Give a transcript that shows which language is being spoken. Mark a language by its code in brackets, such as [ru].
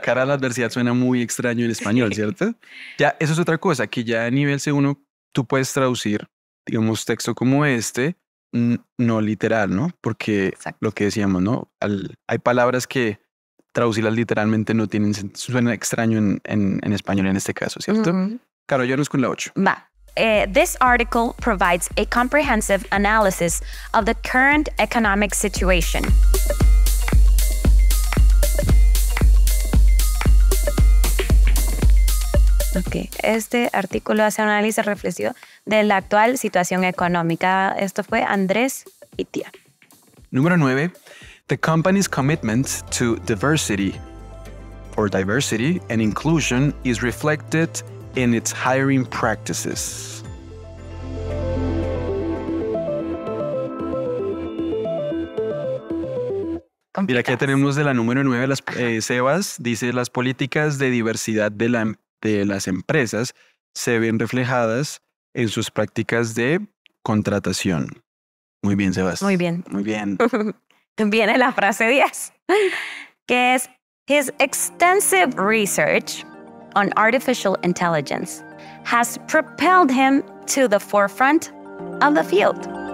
[es] La cara de la adversidad suena muy extraño en español, sí. ¿Cierto? Ya, eso es otra cosa, que ya a nivel C1 tú puedes traducir, digamos, texto como este, no literal, ¿no? Porque lo que decíamos, ¿no? Hay palabras que traducirlas literalmente no tienen sentido, suena extraño en español en este caso, ¿cierto? Uh-huh. Claro, ya no es con la 8. Va. [en] This article provides a comprehensive analysis of the current economic situation. [es] Okay, este artículo hace un análisis reflexivo de la actual situación económica. Esto fue Andrés Itia. Número 9. [en] The company's commitment to diversity or diversity and inclusion is reflected in its hiring practices. [es] Complicas. Mira, aquí tenemos de la número 9, Sebas, dice, las políticas de diversidad de las empresas se ven reflejadas en sus prácticas de contratación. Muy bien, Sebas. Muy bien. Muy bien. Viene la frase 10, que es, [en] his extensive research on artificial intelligence has propelled him to the forefront of the field.